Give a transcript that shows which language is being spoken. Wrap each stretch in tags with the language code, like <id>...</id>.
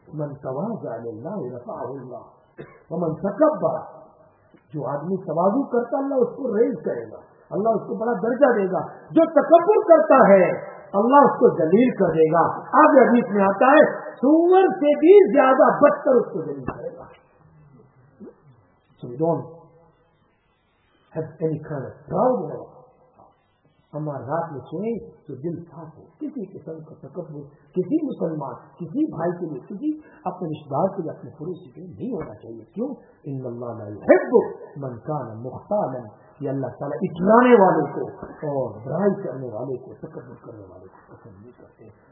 <ar>من تواضع للہ رفعہ اللہ ومن تکبر،</ar> <ur>جو آدمی تواضع کرتا اللہ اس کو ریز کرے گا، اللہ اس کو بڑا درجہ دے گا، جو تکبر کرتا ہے اللہ اس کو ذلیل کر دے گا. آگے حدیث میں آتا ہے سور سے بھی زیادہ بدتر اس کو ذلیل کرے گا.</ur> <en>So we don't have any kind of proud in our hearts.</en> <ur>ہم ہر رات میں سوئیں تو دل صاف ہو، کسی قسم کا تکبر کسی مسلمان، کسی بھائی کے لیے، کسی اپنے رشتے دار کے لیے، اپنے پڑوسی کے لیے نہیں ہونا چاہیے. کیوں؟</ur> <ar>ان اللہ لا یحب من کان مختالا،</ar> <ur>یہ اللہ تعالیٰ اٹھلانے والے کو اور برائی کرنے والے کو، تکبر کرنے والے کو پسند نہیں کرتے.</ur>